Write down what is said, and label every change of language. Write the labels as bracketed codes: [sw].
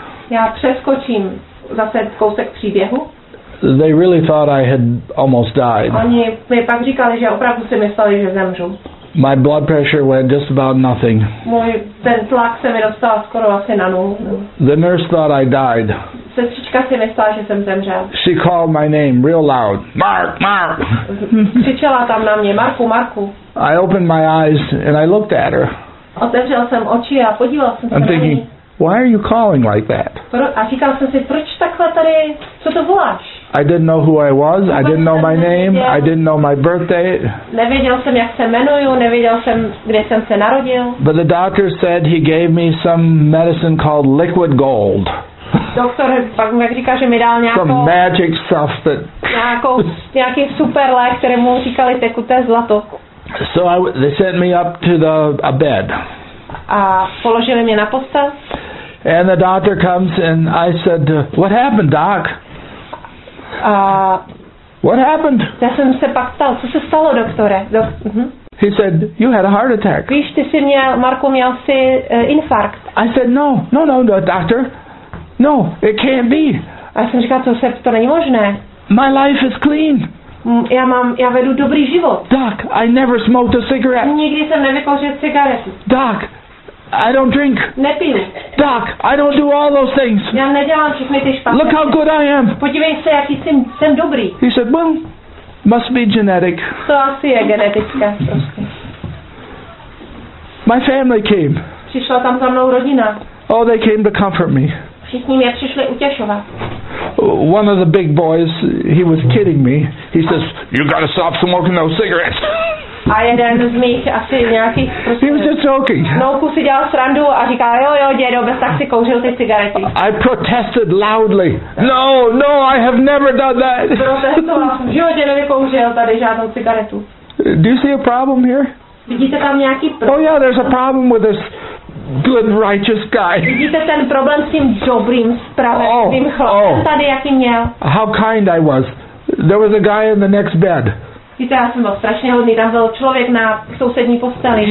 [cs] Já přeskočím zase kousek příběhu. [en] They really thought I had almost died. [cs] Oni mi pak říkali, že opravdu si mysleli, že zemřu. [en] My blood pressure went just about nothing. [cs] Můj ten tlak se mi dostal skoro asi na nulu. [en] The nurse thought I died. [cs] Sestřička si myslela, že jsem zemřel. [en] She called my name real loud. Mark, Mark. [cs] Křičela tam na mě, Marku, Marku. [en] I opened my eyes and I looked at her. [cs] Otevřel jsem oči a podíval jsem se na ní. [en] I'm thinking, why are you calling like that? [cs] A říkal jsem si, proč takhle tady, co to voláš? [en] I didn't know who I was, I didn't know my name, I didn't know my birthday. [cs] Nevěděl jsem, jak se jmenuju, nevěděl jsem, kde jsem se narodil. [en] But the doctor said he gave me some medicine called liquid gold. [cs] Doktor pak mi říká, že mi dal nějakou... [en] Some magic stuff that... [cs] nějaký super lék, kterému říkali tekuté zlato. [en] So they sent me up to a bed. [cs] A položili mě na postel. [en] And the doctor comes and I said, what happened, doc? What happened? [cs] Já jsem se pak ptal, co se stalo, doktore? [en] He said, you had a heart attack. [cs] Víš, ty jsi měl, Marku, měl jsi infarkt. [en] I said, no, doctor. No, it can't be. [cs] A já jsem říkal, to není možné. [en] My life is clean. [cs] Já vedu dobrý život. [en] Doc, I never smoked a cigarette. [cs] Nikdy jsem nevykouřil cigaretu. [en] Doc, I don't drink. [cs] Nepiju. [en] Doc, I don't do all those things. [cs] Já nedělám všechny ty špatné. [en] Look how good I am. [cs] Podívej se, jaký jsem dobrý. [en] He said, well, must be genetic. [cs] To asi je genetické. [en] My family came. [cs] Přišla tam za mnou rodina. [en] Oh, they came to comfort me. [cs] Všichni mě přišli utěšovat. [en] One of the big boys, he was kidding me. He says, you gotta stop smoking those cigarettes. [cs] A jeden z mých asi nějakých... [en] He was just joking. [cs] Nouku si dělal srandu a říká, jo, dědo, bez tak si kouřil ty cigarety. [en] I protested loudly. No, I have never done that. [cs] Protestoval jsem, že dědo nevykouřil tady žádnou cigaretu. [en] Do you see a problem here? [cs] Vidíte tam nějaký problém? [en] Oh yeah, there's a problem with this good, righteous guy. [cs] Vidíte ten problém s tím dobrým, spravedlivým chlapem tady, jaký měl? [en] How kind I was. There was a guy in the next bed. [cs] Víte, já jsem byl strašně hodný, tam byl člověk na sousední posteli.